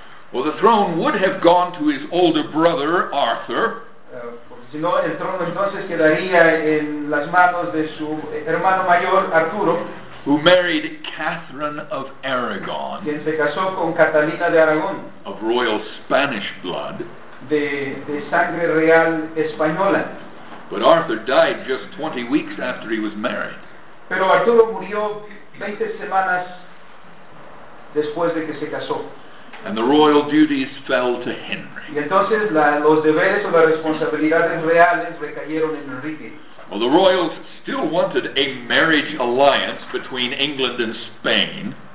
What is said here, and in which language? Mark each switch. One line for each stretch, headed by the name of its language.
English: Well, the throne would have gone to his older brother, Arthur.
Spanish: Si no, el trono entonces quedaría en las manos de su hermano mayor, Arturo.
English: Who married Catherine of Aragon,
Spanish: quien se casó con Catalina de Aragón,
English: of royal Spanish blood,
Spanish: de sangre real española.
English: But Arthur died just 20 weeks after he was married.
Spanish: Pero Arturo murió 20 semanas después de que se casó.
English: And the royal duties fell to Henry.
Spanish: Y entonces los deberes o las responsabilidades reales recayeron en Enrique.
English: Well, the royals still wanted a marriage alliance between England and Spain.